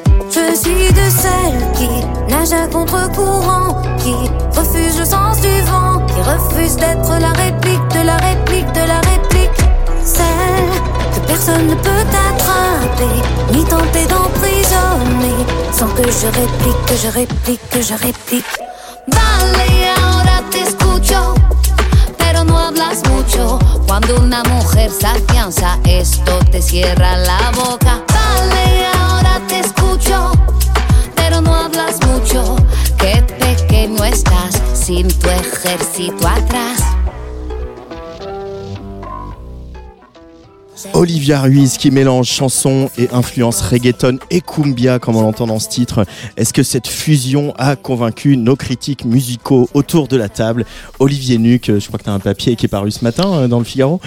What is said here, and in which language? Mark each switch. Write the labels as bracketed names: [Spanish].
[French] Je suis de celle qui nage à contre-courant, qui refuse le sens du vent, qui refuse d'être la réplique de la réplique de la réplique. Celle que personne ne peut attraper, ni tenter d'emprisonner, sans que je réplique, que je réplique, que je réplique. [Spanish] Vale, ahora te escucho, pero no hablas mucho. Cuando una mujer se afianza, esto te cierra la boca. Vale, ahora te escucho, pero no hablas mucho. Qué pequeño estás sin tu ejército atrás. [French] Olivia Ruiz qui mélange chanson et influence reggaeton et cumbia, comme on l'entend dans ce titre. Est-ce que cette fusion a convaincu nos critiques musicaux autour de la table? Olivier Nuc, je crois que tu as un papier qui est paru ce matin dans le Figaro.